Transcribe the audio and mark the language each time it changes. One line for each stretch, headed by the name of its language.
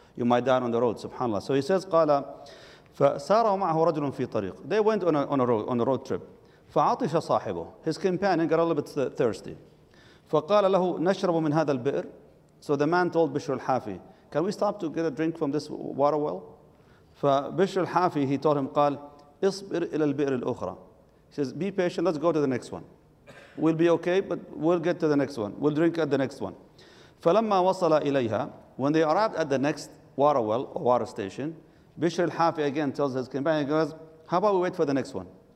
English: You might die on the road, subhanAllah. So he says,
Arabic: قَالَ فَسَارَوْ مَعَهُ رَجُلٌ فِي طَرِيقٍ.
English: They went on a road trip.
Arabic: فَعَطِشَ صَاحِبُ.
English: His companion got a little bit thirsty.
Arabic: فَقَالَ لَهُ نَشْرَبُ مِنْ هَذَا الْبِئْرِ.
English: So the man told Bishr al-Hafi, can we stop to get a drink from this water well?
Arabic: فَبِشْرُ الْحَافِي,
English: he told him,
Arabic: قَالَ اصبر إلى البئر الأخرى.
English: He says, be patient, let's go to the next one. We'll be okay, but we'll get to the next one. We'll drink at the next one.
Arabic: فلما وصل إليها,
English: when they arrived at the next water well or water station, Bishr al-Hafi again tells his companion, he goes, how about we wait for the next one?